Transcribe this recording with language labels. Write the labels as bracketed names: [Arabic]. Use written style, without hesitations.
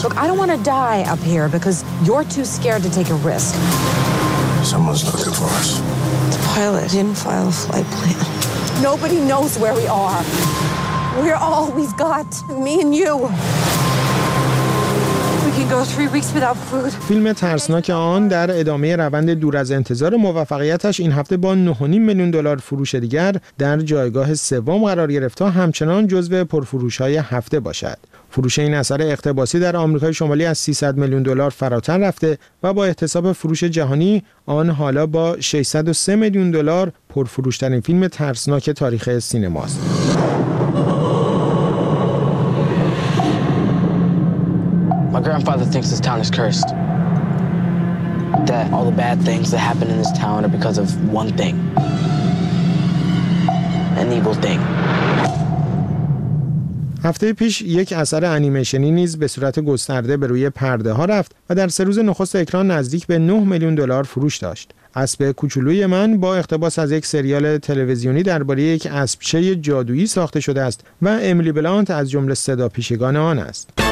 [English] Look, I don't want to die up here because you're too scared to take a risk. Someone's looking for us. The pilot didn't file a flight plan. Nobody knows where we are. We're all we've got, me and you. [Persian] فیلم ترسناک آن در ادامه روند دور از انتظار موفقیتش این هفته با 9.5 میلیون دلار فروش دیگر در جایگاه سوم قرار گرفت تا همچنان جزو پرفروش‌های هفته باشد. فروش این اثر اقتباسی در آمریکای شمالی از 300 میلیون دلار فراتر رفته و با احتساب فروش جهانی آن حالا با 603 میلیون دلار پرفروش‌ترین فیلم ترسناک تاریخ سینماست. [English] My grandfather thinks this town is cursed. That all the bad things that happen in this town are because of one thing. An evil thing. [Persian] هفته پیش یک اثر انیمیشنی نیز به صورت گسترده به روی پرده ها رفت و در سه روز نخست اکران نزدیک به 9 میلیون دلار فروش داشت. اسب کوچولوی من با اقتباس از یک سریال تلویزیونی درباره یک اسبچه جادویی ساخته شده است و امیلی بلانت از جمله صدا پیشگان آن است.